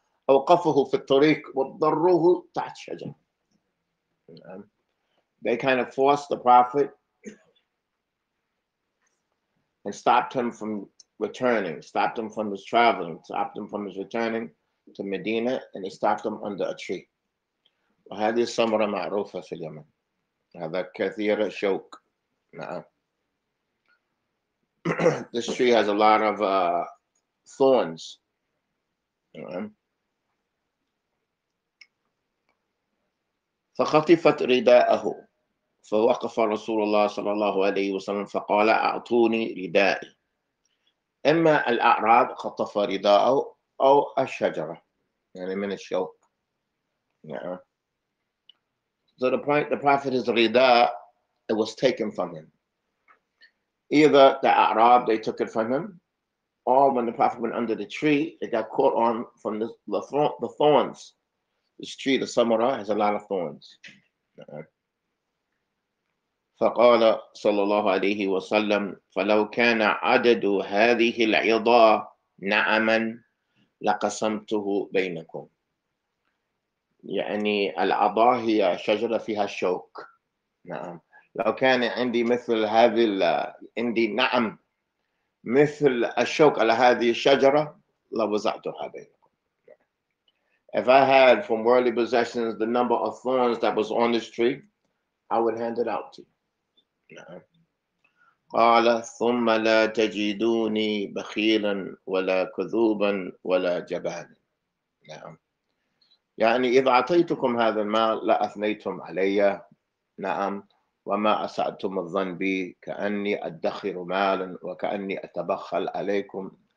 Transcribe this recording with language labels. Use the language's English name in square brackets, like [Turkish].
[Arabic] أوقفه في الطريق واضطروه تحت شجرة. [English] They kind of forced the Prophet and stopped him from returning, stopped him from his traveling, stopped him from his returning to Medina, and they stopped him under a tree. [Arabic] وهذه السمرة معروفة في اليمن. هذا كثير الشوك. نعم. [English] This tree has a lot of thorns. [Arabic] فخطفت رداءه فوقف رسول الله صلى الله عليه وسلم فقال أعطوني ردائي. إما الأعراب خطف رداءه أو الشجرة. يعني من الشوك. [English] So the point, the Prophet's rida, it was taken from him. Either the A'rab, they took it from him, or when the Prophet went under the tree, it got caught on from the thorns. This tree, the Samura, has a lot of thorns. [Arabic] فقال صلى الله عليه وسلم فلو كان عدد هذه العضا نعما لقسمته بينكم. يعني العضا هي شجرة فيها الشوك. نعم. لو كان عندي مثل هذه عندي نعم مثل الشوك على هذه الشجرة لوزعتها بينكم. [English] If I had from worldly possessions the number of thorns that was on this tree, I would hand it out to you. [Arabic] قال ثم لا تجدوني بخيلا ولا كذوبا ولا جبانا. نعم. يعني إذا أعطيتكم هذا المال لا أثنيتم علي. نعم. وما أسأتم الظن بي كأني أدخر مالا وكأني أتبخل عليكم.